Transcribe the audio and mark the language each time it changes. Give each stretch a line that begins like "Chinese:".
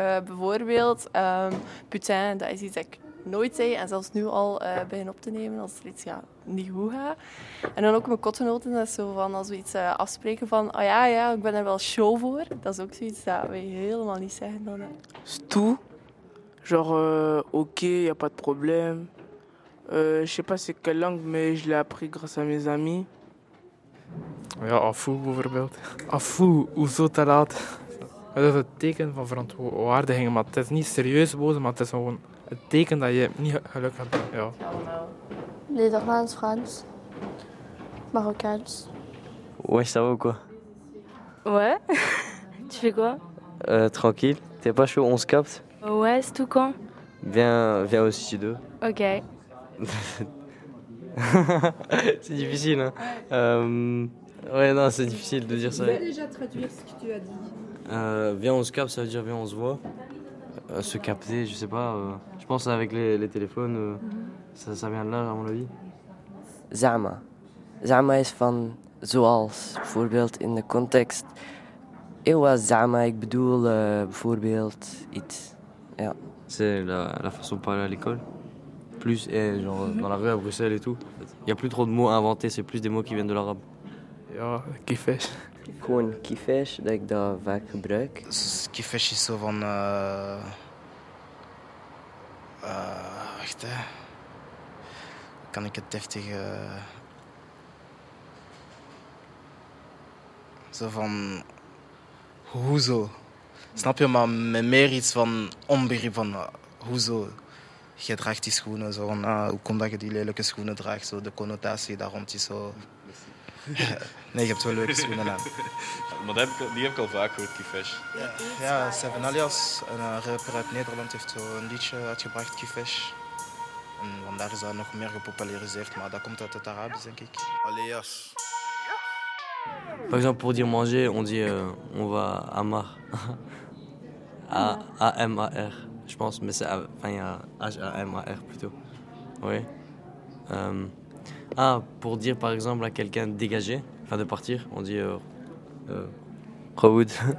Dutch: Bijvoorbeeld, putain, dat is iets dat ik nooit zei. En zelfs nu al begin op te nemen als er iets niet goed gaat. En dan ook mijn kotgenoten, dat is zo van als we iets afspreken van oh ja, ja, ik ben er wel show voor. Dat is ook zoiets dat we helemaal niet zeggen dan. Stou.
French: Genre, oké, il n'y a pas de probleem. Je sais pas c'est quelle langue, mais je l'ai appris grâce à mes amis.
Dutch: Ja, afou bijvoorbeeld. Afou, hoezo te laat? Dat is het teken van verontwaardiging, maar het is niet serieus boos, maar het is gewoon het teken dat je niet gelukkig hebt. Ja. Nederlands, Frans, Marokkaans.
French: Ouais, ça va ou quoi? Ouais, tu fais quoi? Tranquille, t'es pas chaud, on se capte? Ouais, c'est tout quand? Viens au studio. Ok. C'est difficile, hein? Ouais, non, c'est difficile de dire ça. Je vais déjà traduire ce que tu as dit. Viens, on se capte, ça veut dire viens, on se voit. Se capter, je sais pas. Je pense avec les téléphones, ça vient de là, à mon avis. Zama.
Dutch: Zama is van zoals, bijvoorbeeld in de context. Et wat zama, ik bedoel bijvoorbeeld iets. Ja.
French: C'est la façon de parler à l'école. Plus, et genre dans la rue à Bruxelles et tout. Il n'y a plus trop de mots inventés, c'est plus des mots qui viennent de l'arabe.
Dutch: Ja, kifesh. Gewoon kifesh, dat ik dat vaak gebruik. Kifesh is zo van. Wacht, hè. Kan ik het deftig. Zo van. Hoezo? Snap je, maar meer iets van onbegrip van. Hoezo? Je draagt die schoenen zo van. Hoe komt dat je die lelijke schoenen draagt? Zo, de connotatie daar rond is zo. Nee, je hebt wel leuke schoenen aan. Maar die heb ik al vaak gehoord, Kifesh. Ja, Seven Alias, een rapper uit Nederland, heeft een liedje uitgebracht, Kifesh. En vandaar is dat nog meer gepopulariseerd, maar dat komt uit het Arabisch, denk ik. Alias.
French: Par exemple, pour dire manger, on dit on va Amar. A-M-A-R, je pense, mais c'est enfin, H-A-M-A-R plutôt. Oui. Ah, pour dire par exemple à quelqu'un de dégager, enfin de partir, on dit Rawoud.